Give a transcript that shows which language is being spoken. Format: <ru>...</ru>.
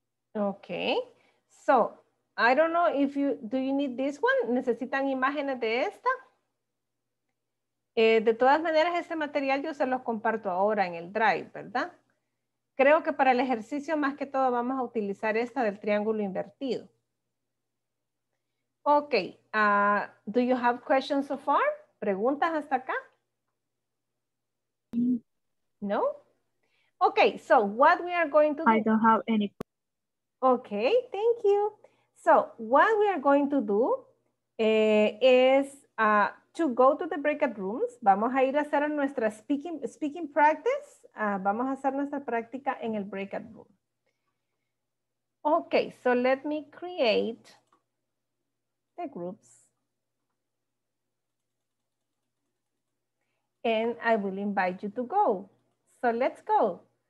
<en>Okay, so I don't know if you, do you need this one?</en> <es>¿Necesitan imágenes de esta? De todas maneras, este material yo se los comparto ahora en el Drive, ¿verdad? Creo que para el ejercicio más que todo vamos a utilizar esta del triángulo invertido.</es> <en>Okay, do you have questions so far?</en> <es>¿Preguntas hasta acá? No?</es> <en>Okay, so what we are going to do. I don't have any questions. Okay, thank you. So what we are going to do is to go to the breakout rooms.</en> <es>Vamos a ir a hacer nuestra</es> <en>speaking practice.</en> <es>Vamos a hacer nuestra práctica en el breakout room.</es> <en>Okay, so let me create the groups. And I will invite you to go. So let's go.</en>